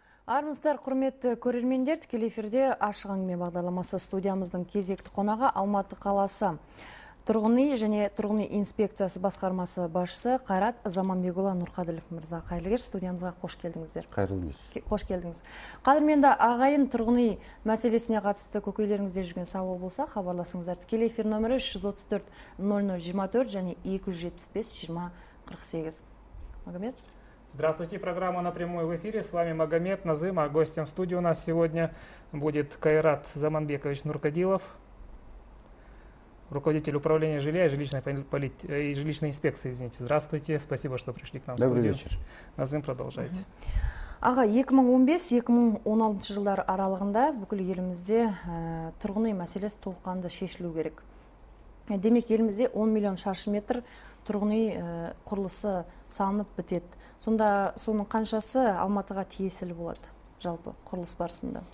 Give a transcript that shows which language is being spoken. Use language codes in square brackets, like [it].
[kk] Армыстар, құрметті көрермендер, тікелей эфирде ашық әңгіме бағдарламасы студиямыздың кезекті қонағы Алматы қаласы тұрғын үй және тұрғын үй инспекциясы басқармасы басшысы Қайрат Заманбекұлы Нұрқаділов мырза. Қайырлы кеш, студиямызға қош келдіңіздер. Қайырлы кеш. Қош келдіңіз. Қадірменді ағайын, тұрғын үй мәселесіне қатысты көкейлеріңізде жүрген сауал болса, хабарласыңыздар. Тікелей эфир нөмірі 334-0024 және 275-2048. Магомед. [ru] Здравствуйте, программа «Напрямую в эфире». С вами Магомед Назым, а гостем в студии у нас сегодня будет Кайрат Заманбекович Нуркадилов, руководитель управления жилья и жилищной инспекции. Извините. Здравствуйте, спасибо, что пришли к нам Добрый в студию. Добрый вечер. Назым, продолжайте. [kk] Ага, 2015-2016 жылдар аралығында бүкіл елімізде тұрғын үй мәселесі толыққанды шешілу керек. Демек, елімізде 10 миллион шаршы метр тұрғын үй құрылысы салынып бітеді. Сонда соның қаншасы Алматыға тиесілі болады жалпы құрылыс барысында?